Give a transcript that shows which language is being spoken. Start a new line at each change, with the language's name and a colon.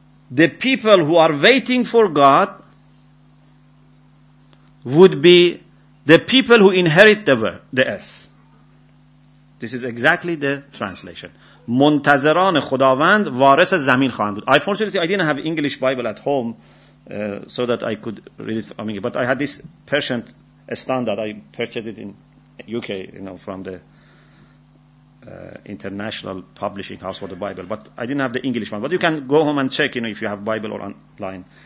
English: The people who are waiting for God would be the people who inherit the earth. This is exactly the translation.
Persian: منتظران خداوند وارث زمین خواهند بود.
English: Unfortunately, I didn't have English Bible at home so that I could read it from English. But I had this Persian standard. I purchased it in UK, you know, from the international publishing house for the Bible. But I didn't have the English one. But you can go home and check, you know, if you have Bible or online.